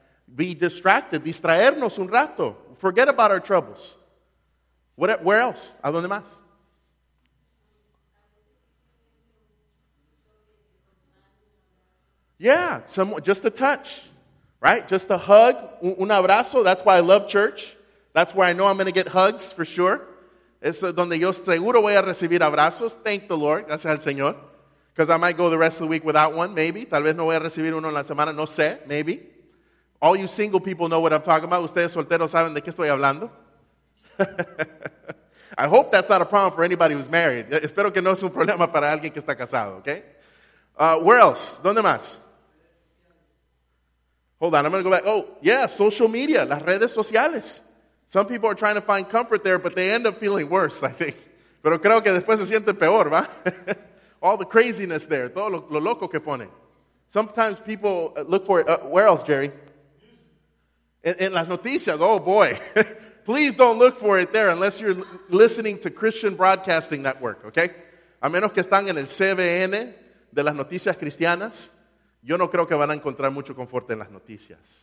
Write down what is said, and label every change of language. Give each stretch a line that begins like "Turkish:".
English: Be distracted,
Spanish: distraernos un rato.
English: Forget about our troubles. Where else?
Spanish: ¿A dónde más?
English: Yeah, just a touch, right? Just a hug,
Spanish: un abrazo.
English: That's why I love church. That's where I know I'm going to get hugs for sure.
Spanish: Es donde yo seguro voy a recibir abrazos.
English: Thank the Lord.
Spanish: Gracias al Señor.
English: Because I might go the rest of the week without one, maybe.
Spanish: Tal vez no voy a recibir uno en la semana, no sé, maybe.
English: All you single people know what I'm talking about.
Spanish: Ustedes solteros saben de qué estoy hablando.
English: I hope that's not a problem for anybody who's married.
Spanish: Espero que no es un problema para alguien que está casado, okay?
English: Where else?
Spanish: ¿Dónde más?
English: Hold on, I'm going to go back. Oh, yeah, social media,
Spanish: las redes sociales.
English: Some people are trying to find comfort there, but they end up feeling worse, I think.
Spanish: Pero creo que después se siente peor, ¿va?
English: All the craziness there,
Spanish: todo lo loco que ponen.
English: Sometimes people look for it. Where else, Jerry?
Spanish: En las noticias,
English: oh boy. Please don't look for it there unless you're listening to Christian Broadcasting Network, okay?
Spanish: A menos que están en el CBN de las noticias cristianas, yo no creo que van a encontrar mucho confort en las noticias.